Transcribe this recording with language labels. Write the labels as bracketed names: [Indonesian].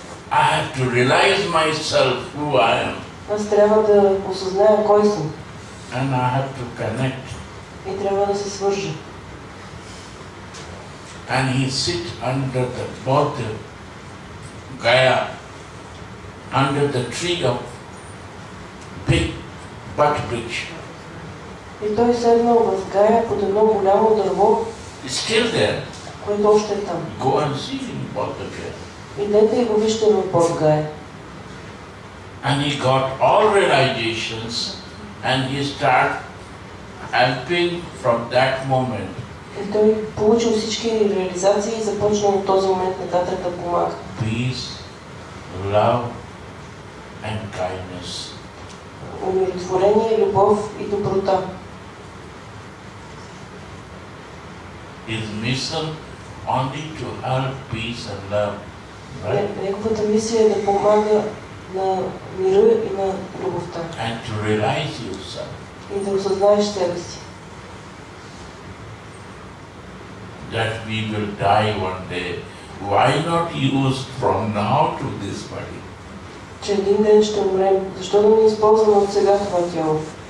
[English] I have to realize myself who I am. [Bulgarian] Аз трябва да осъзная кой съм. [English] And I have to connect. [Bulgarian] И трябва да се свържа. [English] And he sit under the Bodh Gaya, under the tree of big Bodh bridge. [Bulgarian] И той седнал в Гая под едно голямо дърво. [English] It's still there. [Bulgarian] Което още е там. [English] Go and see in Bodh Gaya. [Bulgarian] Идете и го вижте в Bodh Gaya. [English] And he got all realizations and he start helping from that moment. [Bulgarian] И той получил всички реализации и започнал от този момент нататък да помага. [English] Peace, love and kindness. [Bulgarian] Умиротворение, любов и доброта. [English] His mission only to help peace and love, right? [Bulgarian] Неговата мисия е да помага на мира и на любовта. [English] And to realize yourself. [Bulgarian] И да осъзнаеш себе си. [English] That we will die one day. Why not use from now to this body? [Bulgarian] Че един ден ще умрем. Защо да не използвам от сега това тяло?